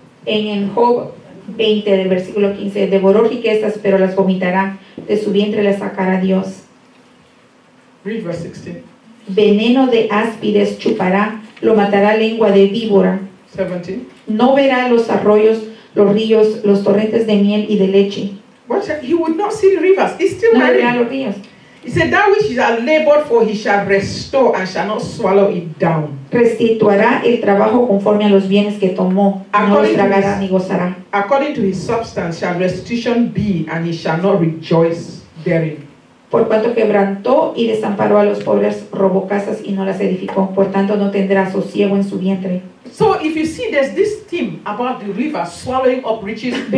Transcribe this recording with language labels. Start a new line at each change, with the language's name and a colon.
Spanish: En Job 20 del versículo 15, devoró riquezas pero las vomitará, de su vientre las sacará Dios.
English: Read verse 16.
Spanish: Veneno de áspides chupará, lo matará lengua de víbora. 17. No verá los arroyos, los ríos, los torrentes de miel y de leche.
English: What? He would not see the rivers. He's still
Spanish: no
English: married.
Spanish: Verá los ríos.
English: He said that which he has labored for he shall restore and shall not swallow it down.
Spanish: Restituirá el trabajo conforme a los bienes que tomó, no los tragará ni gozará.
English: According to his substance shall restitution be and he shall not rejoice therein.
Spanish: Por cuanto quebrantó y desamparó a los pobres, robó casas y no las edificó. Por tanto, no tendrá sosiego en su vientre.
English: So if you see, there's this theme about the river swallowing up riches,